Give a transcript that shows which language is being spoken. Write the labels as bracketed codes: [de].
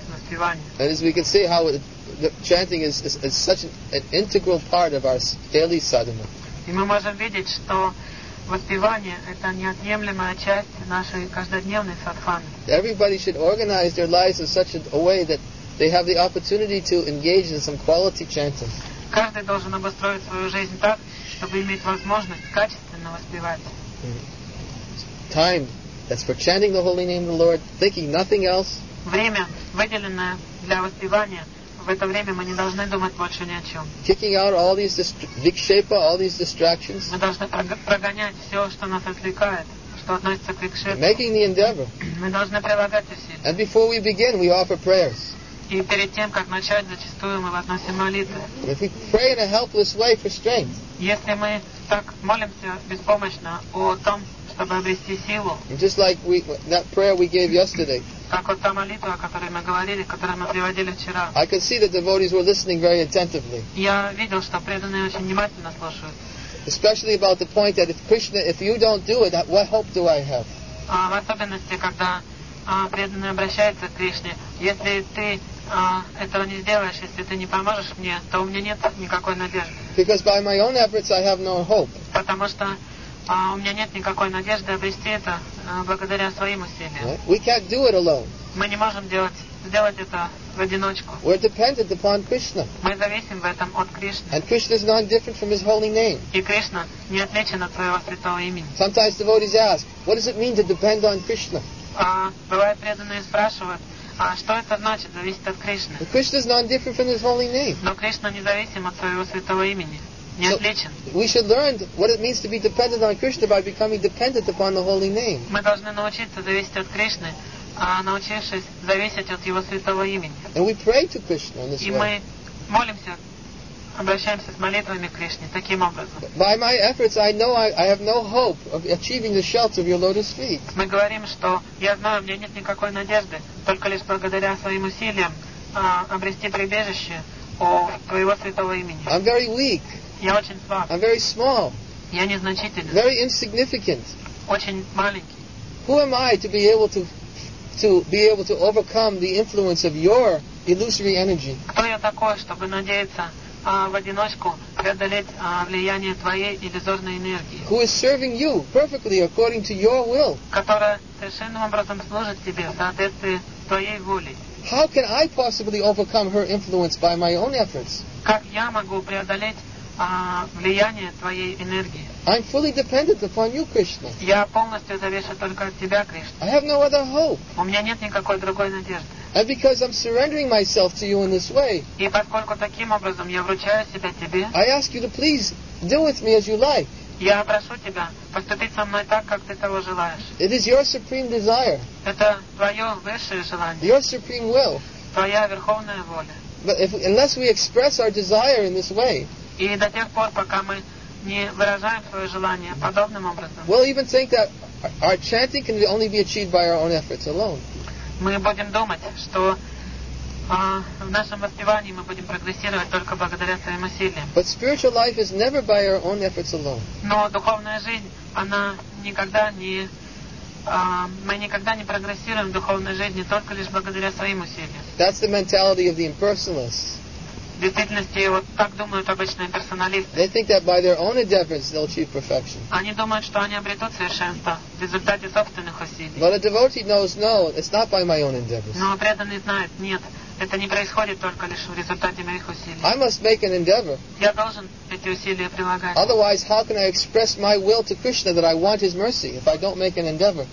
[en] And as we can see how the chanting is such an integral part of our daily sadhana. [ru] И мы можем видеть, что воспевание это неотъемлемая часть нашей каждодневной садханы. [en] Everybody should organize their lives in such a way that they have the opportunity to engage in some quality chanting. [ru] Каждый должен обустроить свою жизнь так, чтобы иметь возможность качественно воспевать. [en] Time. That's for chanting the holy name of the Lord, thinking nothing else. [ru] Время, выделенное для воспевания, в это время мы не должны думать больше ни о чем. [en] Kicking out all these vikshepa, all these distractions. [ru] Мы должны прогонять все, что нас отвлекает, что относится к викшепе. [en] Making the endeavor. [ru] Мы должны прилагать усилия. [en] And before we begin, we offer prayers. [ru] И перед тем, как начать, зачастую мы возносим молитвы. [en] If we pray in a helpless way for strength. [ru] Если мы так молимся беспомощно о том, чтобы обрести силу. [en] Just like we, that prayer we gave yesterday. [ru] Как вот та молитва, о которой мы говорили, которую мы приводили вчера. [en] I could see that devotees were listening very attentively. [ru] Я видел, что преданные очень внимательно слушают. [en] Especially about the point that if Krishna, if you don't do it, what hope do I have? [ru] В особенности, когда преданные обращаются к Кришне, если ты этого не сделаешь, если ты не поможешь мне, то у меня нет никакой надежды. [en] Because by my own efforts I have no hope. [ru] Потому что у меня нет никакой надежды обрести это благодаря своим усилиям. [en] Right? We can't do it alone. [ru] Мы не можем сделать это в одиночку. [en] We're dependent upon Krishna. [ru] Мы зависим в этом от Кришны. [en] And Krishna is not different from His holy name. [ru] И Кришна не отличен от своего святого имени. [en] Sometimes devotees ask, what does it mean to depend on Krishna? [ru] Бывают преданные спрашивают, что это значит зависеть от Кришны? [en] Krishna is not different from His holy name. [ru] Но Кришна независим от своего святого имени. [en] So we should learn what it means to be dependent on Krishna by becoming dependent upon the holy name. [ru] Мы должны научиться зависеть от Кришны, научившись зависеть от Его святого имени. [en] And we pray to Krishna in this way. [ru] И мы молимся, обращаемся с молитвами к Кришне таким образом. [en] By my efforts, I know I have no hope of achieving the shelter of Your lotus feet. [ru] Мы говорим, что я знаю, у меня нет никакой надежды, только лишь благодаря своим усилиям обрести прибежище у Твоего святого имени. [en] I'm very weak. [ru] Я очень слаб. [en] I'm very small. [ru] Я незначительный. [en] Very insignificant. [ru] Очень маленький. [en] Who am I to be able to overcome the influence of your illusory energy? [ru] Кто я такой, чтобы надеяться в одиночку преодолеть влияние твоей иллюзорной энергии? [en] Who is serving you perfectly according to your will? [ru] Которая совершенным образом служит тебе в соответствии с твоей волей. [en] How can I possibly overcome her influence by my own efforts? [ru] Как я могу преодолеть влияние твоей энергии? [en] I'm fully dependent upon you, Krishna. [ru] Я полностью завишу только от тебя, Кришна. [en] I have no other hope. [ru] У меня нет никакой другой надежды. [en] And because I'm surrendering myself to you in this way, [ru] и поскольку таким образом я вручаю себя тебе, [en] I ask you to please do with me as you like. [ru] Я прошу тебя поступить со мной так, как ты того желаешь. [en] It is your supreme desire. [ru] Это твое высшее желание. [en] Your supreme will. [ru] Твоя верховная воля. [en] But unless we express our desire in this way, [ru] и до тех пор, пока мы не выражаем свое желание подобным образом, [en] we'll even think that our chanting can only be achieved by our own efforts alone. [ru] Мы будем думать, что в нашем воспевании мы будем прогрессировать только благодаря своим усилиям. [en] But spiritual life is never by our own efforts alone. [ru] Но духовная жизнь, она никогда не мы никогда не прогрессируем в духовной жизни только лишь благодаря своим усилиям. [en] That's the mentality of the impersonalists. [ru] В действительности, вот так думают обычные персоналисты. [en] They think that by their own endeavors they'll achieve perfection. [ru] Они думают, что они обретут совершенство в результате собственных усилий. [en] But a devotee knows, no, it's not by my own endeavors. [ru] Но преданный знает, нет, это не происходит только лишь в результате моих усилий. [en] I must make an endeavor. [ru] Я должен эти усилия прилагать. [en] Otherwise, how can I express my will to Krishna that I want His mercy if I don't make an endeavor?